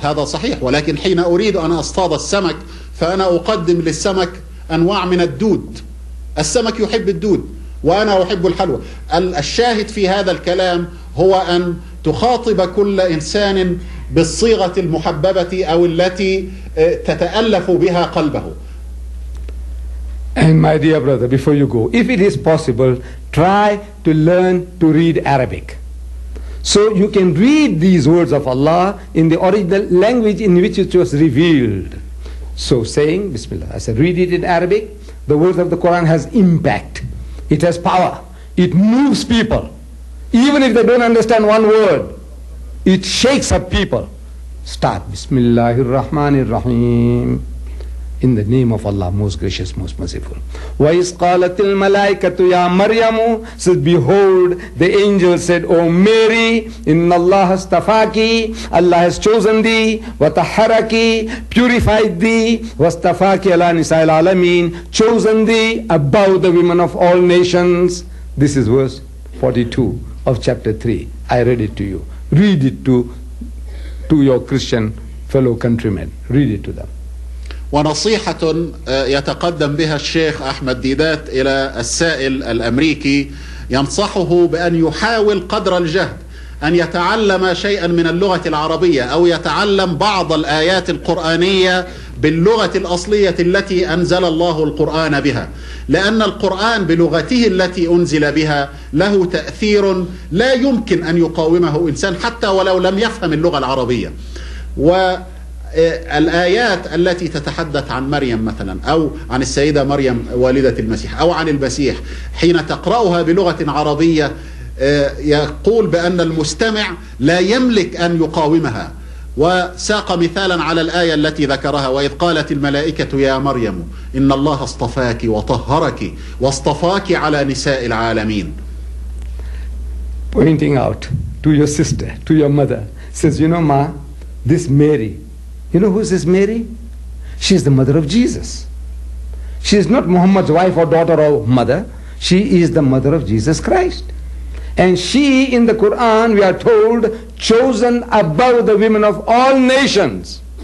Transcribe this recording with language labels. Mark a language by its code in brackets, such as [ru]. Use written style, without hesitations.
[ar] هذا صحيح, ولكن حين أريد أن أصطاد السمك فأنا أقدم للسمك أنواع من الدود. السمك يحب الدود وأنا أحب الحلوى. الشاهد في هذا الكلام هو أن تخاطب كل إنسان بالصيغة المحببة أو التي تتألف بها قلبه. [en] And my dear brother, before you go, if it is possible, try to learn to read Arabic. So you can read these words of Allah in the original language in which it was revealed. So saying, Bismillah, I said, read it in Arabic. The words of the Quran has impact. It has power. It moves people. Even if they don't understand one word, it shakes up people. Start, [ar] Bismillahir Rahmanir Rahim. [en] In the name of Allah, most gracious, most merciful. [ar] Wa isqalat al malaikatu ya maryamu, [en] said, behold, the angel said, O Mary, [ar] inna Allah astafaki, [en] Allah has chosen thee, [ar] wa taharaki, [en] purified thee, [ar] wa astafaki ala nisa'il alameen, [en] chosen thee above the women of all nations. This is verse 42 of chapter 3. I read it to you. Read it to your Christian fellow countrymen. Read it to them. [ar] ونصيحة يتقدم بها الشيخ أحمد ديدات إلى السائل الأمريكي, ينصحه بأن يحاول قدر الجهد أن يتعلم شيئا من اللغة العربية أو يتعلم بعض الآيات القرآنية باللغة الأصلية التي أنزل الله القرآن بها, لأن القرآن بلغته التي أنزل بها له تأثير لا يمكن أن يقاومه إنسان حتى ولو لم يفهم اللغة العربية. و الآيات التي تتحدث عن مريم مثلا أو عن السيدة مريم والدة المسيح أو عن المسيح, حين تقرأها بلغة عربية يقول بأن المستمع لا يملك أن يقاومها. وساق مثالا على الآية التي ذكرها, وإذ قالت الملائكة يا مريم إن الله اصطفاك وطهرك واصطفاك على نساء العالمين. [en] Pointing out to your sister, to your mother, says, you know, ma, this Mary, you know who is this Mary? She is the mother of Jesus. She is not Muhammad's wife or daughter or mother. She is the mother of Jesus Christ. And she, in the Quran, we are told, chosen above the women of all nations.